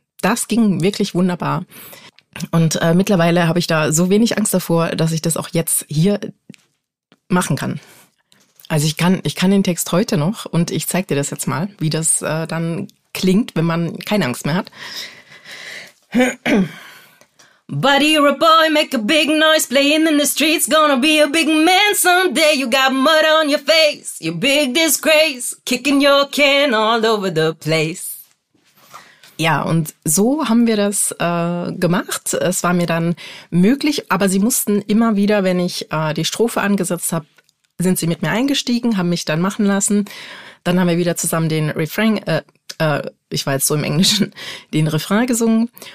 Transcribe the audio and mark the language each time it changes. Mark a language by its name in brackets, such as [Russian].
[German] Das ging wirklich wunderbar. Und mittlerweile habe ich da so wenig Angst davor, dass ich das auch jetzt hier machen kann. Also ich kann den Text heute noch und ich zeige dir das jetzt mal, wie das dann klingt, wenn man keine Angst mehr hat. [English] But you're a boy, make a big noise, playing in the streets, gonna be a big man someday, you got mud on your face, you big disgrace, kicking your can all over the place. [German] Ja, und so haben wir das gemacht. Es war mir dann möglich, aber sie mussten immer wieder, wenn ich die Strophe angesetzt habe, sind sie mit mir eingestiegen, haben mich dann machen lassen. Dann haben wir wieder zusammen den Refrain, ich war jetzt so im Englischen, den Refrain gesungen.